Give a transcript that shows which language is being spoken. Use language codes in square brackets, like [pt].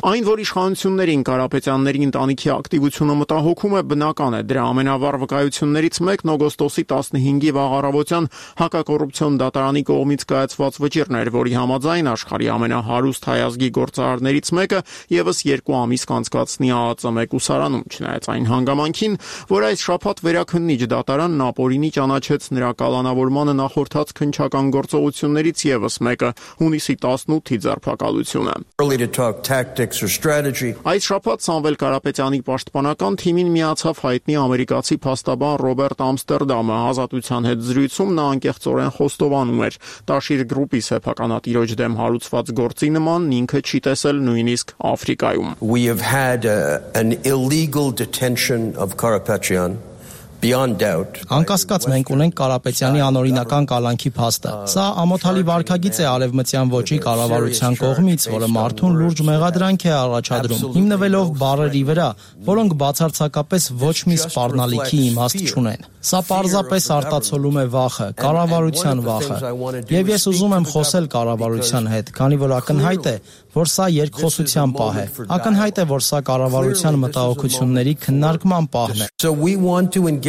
[hy] Այն որ իշխանություններին Կարապետյանների ընտանիքի ակտիվությունը մտահոգում է, բնական է, դրա ամենավառ վկայություններից մեկն օգոստոսի 15-ի վաղ առավոտյան հակակոռուպցիոն դատարանի կողմից կայացված վճիռն էր, որի համաձայն աշխարհի ամենահարուստ հայազգի գործարարներից մեկը եւս 2 ամիս կանցկացնի ԱԱՑ-ի ուսարանում, չնայած այն հանգամանքին, որ այս շաբաթ վերաքննիչ դատարանն ապօրինի ճանաչեց նրա կալանավորմանը նախորդած քնչական գործողություններից եւս մեկը, հունիսի 18-ի ձերբակալությունը։ [en] Early to talk tactics or strategy. [hy] Այս շաբաթ Սամվել Կարապետյանի պաշտպանական թիմին միացավ հայտնի ամերիկացի փաստաբան Ռոբերտ Ամստերդամը, ազատության հետ զրույցում նա անկեղծորեն խոստովանում էր. Տաշիր գրուպի սեփականատիրոջ դեմ հարուցված գործի նման ինքը չի տեսել նույնիսկ Աֆրիկայում։ [en] We have had an illegal detention of Karapetyan. Beyond doubt. [hy] Անկասկած մենք ունենք Կարապետյանի անօրինական կալանքի փաստը։ Սա ամոթալի վարքագից է արևմտյան ոչի կառավարության կողմից, որը մարդուն լուրջ մեղադրանք է առաջադրում, հիմնվելով բարերի վրա, որոնք բացարձակապես ոչ մի սպառնալիքի իմաստ չունեն։ Սա պարզապես արտացոլում է վախը, կառավարության վախը։ Եվ ես ուզում եմ խոսել կառավարության հետ, քանի որ ակնհայտ է, որ սա երկխոսության պահ է։ Ակնհայտ է, որ սա կառավարության մտահոգությունների քննարկման պահն է։